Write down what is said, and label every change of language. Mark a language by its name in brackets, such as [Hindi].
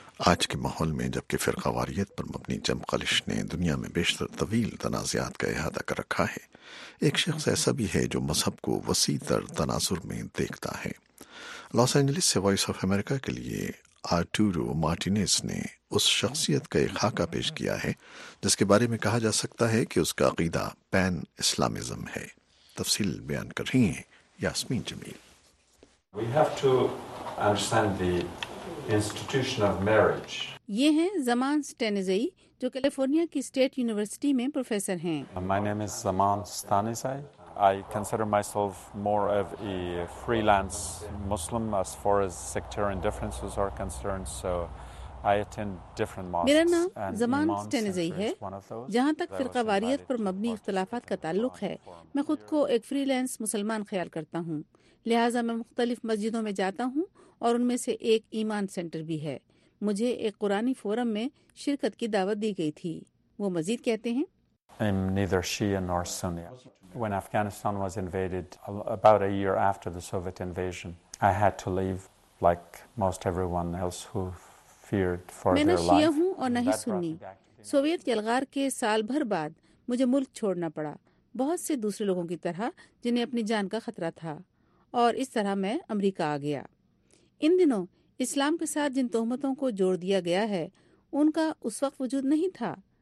[Urdu] آج کے ماحول میں جبکہ فرقہ واریت پر مبنی جم خلش نے دنیا میں بیشتر طویل تنازعات کا احاطہ کر رکھا ہے, ایک شخص ایسا بھی ہے جو مذہب کو وسیع تر تناظر میں دیکھتا ہے. لاس اینجلس سے وائس آف امریکہ کے لیے آرٹورو مارٹینیز نے اس شخصیت کا ایک خاکہ پیش کیا ہے جس کے بارے میں کہا جا سکتا ہے کہ اس کا عقیدہ پین اسلامزم ہے. تفصیل بیان کر رہی ہیں یاسمین جمیل. [English] We have to understand the institution of marriage. [Urdu] یہ ہیں زمان سٹینیزائی جو کیلیفورنیا کی اسٹیٹ یونیورسٹی میں پروفیسر ہیں. [English] My name is Zaman Stanizai. I consider myself more of a freelance Muslim as far as sectarian differences are concerned, so I attend different mosques. [Urdu] میرا نام زمان سٹینیزائی ہے. جہاں تک فرقہ واریت پر مبنی اختلافات کا تعلق ہے, میں خود کو ایک فری لینس مسلمان خیال کرتا ہوں, لہٰذا میں مختلف مسجدوں میں جاتا ہوں اور ان میں سے ایک ایمان سینٹر بھی ہے. مجھے ایک قرآنی فورم میں شرکت کی دعوت دی گئی تھی. وہ مزید کہتے ہیں, [English] I'm neither Shia nor Sunni. When Afghanistan was invaded, about a year after the Soviet invasion, I had to leave like most everyone else who feared for their life. [Urdu] میں نہ شیعہ ہوں اور نہ ہی سنی. سوویت یلغار کے سال بھر بعد مجھے ملک چھوڑنا پڑا, بہت سے دوسرے لوگوں کی طرح جنہیں اپنی جان کا خطرہ تھا, اور اس طرح میں امریکہ آ گیا. ان دنوں اسلام کے ساتھ جن تہمتوں کو جوڑ دیا گیا ہے ان کا اس وقت وجود نہیں تھا.